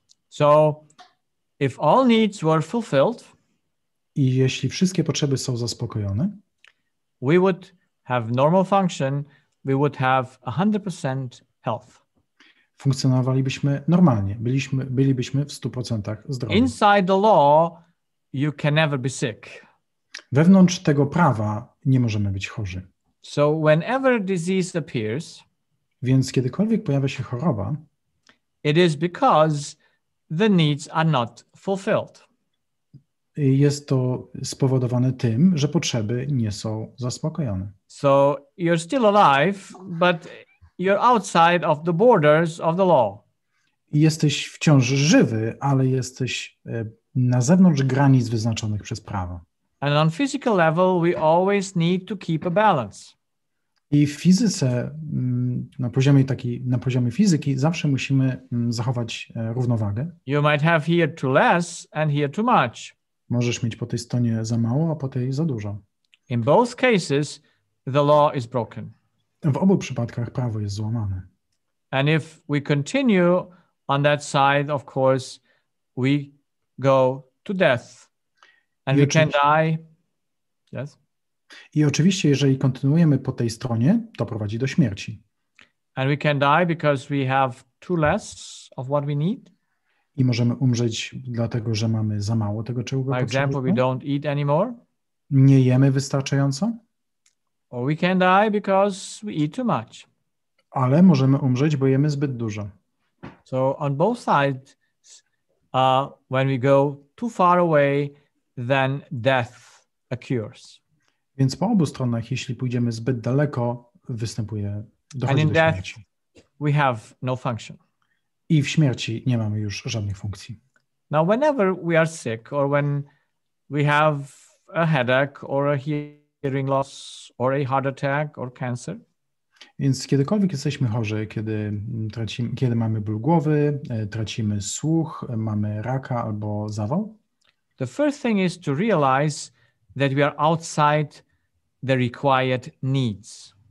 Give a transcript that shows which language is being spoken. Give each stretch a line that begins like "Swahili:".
English: So if all needs were fulfilled,
Polish: i jeśli wszystkie potrzeby są zaspokojone,
English: we would have normal function, we would have 100% health.
Polish: Funkcjonowalibyśmy normalnie, bylibyśmy w 100% zdrowi.
English: Inside the law you can never be sick.
Polish: Wewnątrz tego prawa nie możemy być chorzy.
English: So whenever disease appears,
Polish: więc kiedykolwiek pojawia się choroba,
English: it is because the needs are not fulfilled.
Polish: Jest to spowodowane tym, że potrzeby nie są zaspokojone.
English: So you're still alive, but you're outside of the borders of the law.
Polish: Jesteś wciąż żywy, ale jesteś na zewnątrz granic wyznaczonych przez prawo.
English: And on physical level, we always need to keep a balance.
Polish: I w fizyce, na poziomie taki, na poziomie fizyki, zawsze musimy zachować równowagę.
English: You might have here too less and here too much.
Polish: Możesz mieć po tej stronie za mało, a po tej za dużo.
English: In both cases, the law is broken.
Polish: W obu przypadkach prawo jest złamane.
English: And if we continue on that side, of course, we go to death. And we can die. Yes.
Polish: I oczywiście, jeżeli kontynuujemy po tej stronie, to prowadzi do śmierci.
English: And we can die because we have too less of what we need.
Polish: I możemy umrzeć dlatego, że mamy za mało tego, czego potrzebujemy.
English: For example, we don't eat anymore.
Polish: Nie jemy wystarczająco.
English: Or we can die because we eat too much.
Polish: Ale możemy umrzeć, bo jemy zbyt dużo.
English: So on both sides, when we go too far away, then death occurs.
Polish: Więc po obu stronach, jeśli pójdziemy zbyt daleko, występuje, dochodzi
English: and
Polish: do śmierci.
English: We have no function.
Polish: I w śmierci nie mamy już żadnych funkcji.
English: Now, whenever we are sick, or when we have a headache, or a hearing loss, or a heart attack, or cancer.
Polish: Więc kiedykolwiek jesteśmy chorzy, kiedy mamy ból głowy, tracimy słuch, mamy raka albo zawał.
English: The first thing is to realize that we are outside the required needs.